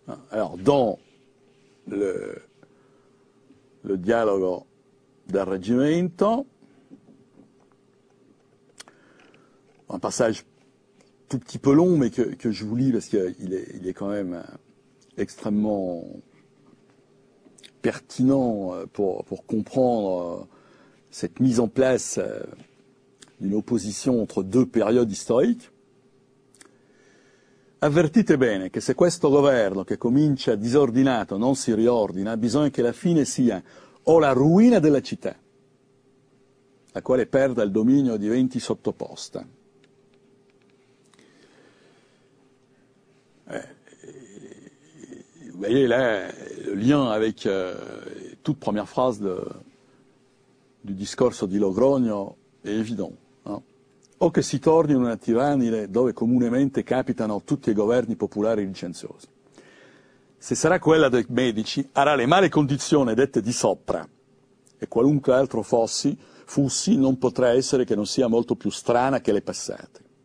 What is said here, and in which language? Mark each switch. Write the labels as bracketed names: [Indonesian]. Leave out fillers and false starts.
[French] Alors, dans le dialogue del Reggimento, un passage tout petit peu long, mais que je vous lis parce qu'il est quand même extrêmement pertinent pour comprendre cette mise en place d'une opposition entre deux périodes historiques. [Italian] Avvertite bene che se questo governo che comincia disordinato non si riordina, bisogna che la fine sia o la ruina della città, la quale perda il dominio e diventi sottoposta. [French] Vous voyez là le lien avec toute première phrase du discours di Logroño est évident. Hein. [Italian] O che si torni in una tirannide dove comunemente capitano tutti i governi popolari licenziosi. Se sarà quella dei Medici, avrà le male condizioni dette di sopra, e qualunque altro fossi, non potrà essere che non sia molto più strana che le passate.